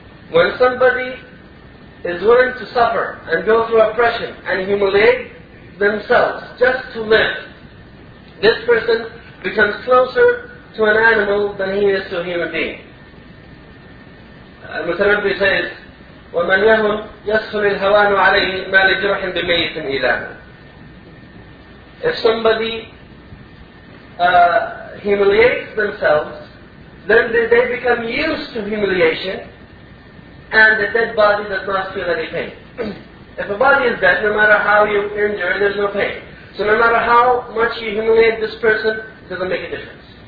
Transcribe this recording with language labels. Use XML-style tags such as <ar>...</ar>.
<en>When somebody is willing to suffer and go through oppression and humiliate themselves just to live, this person becomes closer to an animal than he is to a human being. Al-Mutanabbi says,</en> <ar>وَمَنْ يَهُمْ يَسْهُلِ الْهَوَانُ عَلَيْهِ مَا لِجُرْحٍ بِمَيِّتٍ إِلَاهُ.</ar> <en>If somebody humiliates themselves, then they become used to humiliation, and the dead body does not feel any pain. If a body is dead, no matter how you injure, there's no pain. So no matter how much you humiliate this person, it doesn't make a difference.</en>